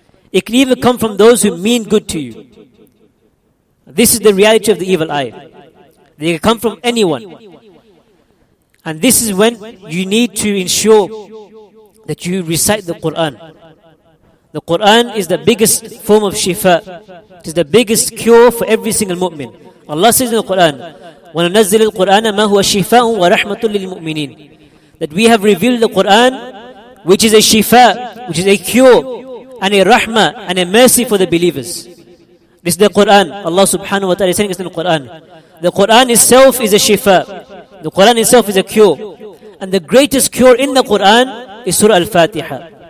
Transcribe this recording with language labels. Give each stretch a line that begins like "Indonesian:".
English: It can even come from those who mean good to you. This is the reality of the evil eye. They can come from anyone. And this is when you need to ensure that you recite the Quran. The Quran is the biggest form of shifa. It is the biggest cure for every single mu'min. Allah says in the Quran,
Arabic: وَنَنَزِّلِ الْقُرْآنَ مَا هُوَ شِفَاءٌ وَرَحْمَةٌ لِلْمُؤْمِنِينَ.
English: That we have revealed the Quran, which is a shifa, which is a cure, and a rahmah, and a mercy for the believers. This is the Quran. Allah subhanahu wa ta'ala is saying this in the Quran. The Quran itself is a shifa. The Quran itself is a cure. And the greatest cure in the Quran is Surah Al-Fatiha.